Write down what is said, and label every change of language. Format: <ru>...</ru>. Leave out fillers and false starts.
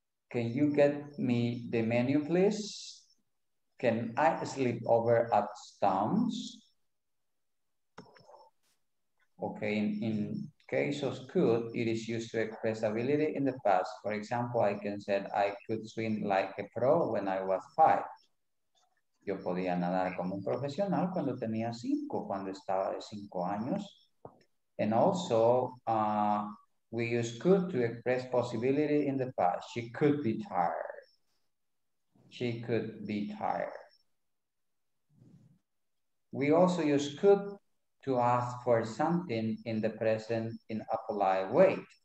<en>Can you get me the menu, please? Can I sleep over at Stones? Okay, in case of could, it is used to express ability in the past. For example, I can say I could swim like a pro when I was five.</en> <es>Yo podía nadar como un profesional cuando tenía cinco, cuando estaba de cinco años.</es> <en>And also, we use could to express possibility in the past. She could be tired. She could be tired. We also use could to ask for something in the present in a polite way.</en>